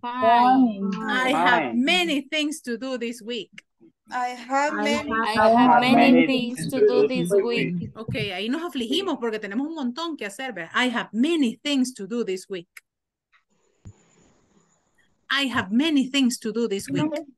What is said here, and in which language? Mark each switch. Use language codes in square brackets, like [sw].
[en] I have many things to do this week. I have many things to do this week. [es] Okay, ahí nos afligimos porque tenemos un montón que hacer. [en] I have many things to do this week. I have many things to do this week.